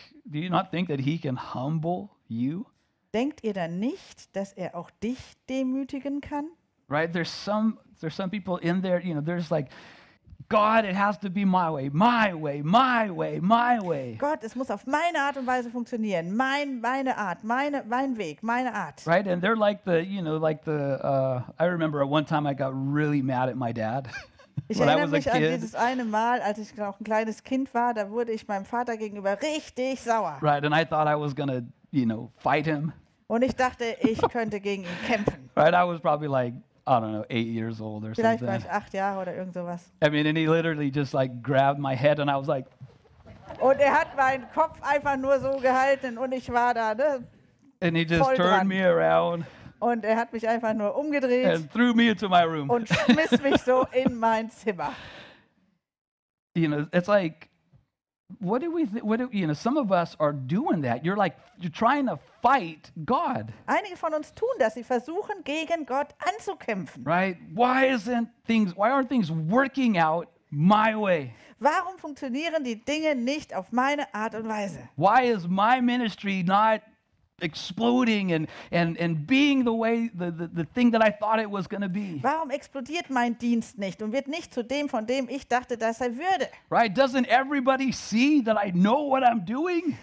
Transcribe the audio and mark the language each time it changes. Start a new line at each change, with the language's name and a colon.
English: Do you not think that he can humble you?
German: Denkt ihr dann nicht, dass er auch dich demütigen kann?
English: Right, there's some people in there, you know, there's like, God, it has to be my way, my way, my way, my way.
German: Gott, es muss auf meine Art und Weise funktionieren, meine Art, mein Weg, meine Art.
English: Right, and they're like the, you know, like the, I remember at one time I got really mad at my dad.
German: Ich erinnere mich an dieses eine Mal, als ich noch ein kleines Kind war, da wurde ich meinem Vater gegenüber richtig sauer.
English: Right, and I thought I was gonna, you know, fight him.
German: Und ich dachte, ich könnte gegen ihn kämpfen.
English: Right, I was probably like, I don't know, 8 years old or
German: Vielleicht
English: something.
German: War ich 8 Jahre oder irgend sowas.
English: I mean, and he literally just like grabbed my head and I was like.
German: Und er hat meinen Kopf einfach nur so gehalten und ich war da, ne?
English: And he just turned me around.
German: Und er hat mich einfach nur umgedreht
English: and threw me into my room.
German: Und schmiss mich so in mein Zimmer.
English: You know, it's like, what do you know, some of us are doing that. You're like, you're trying to fight God.
German: Einige von uns tun das, sie versuchen gegen Gott anzukämpfen.
English: Right? Why aren't things working out my way?
German: Warum funktionieren die Dinge nicht auf meine Art und Weise?
English: Why is my ministry not exploding and being the way the thing that I thought it was going to be?
German: Warum explodiert mein Dienst nicht und wird nicht zu dem, von dem ich dachte, dass er würde?
English: Right, doesn't everybody see that I know what I'm doing?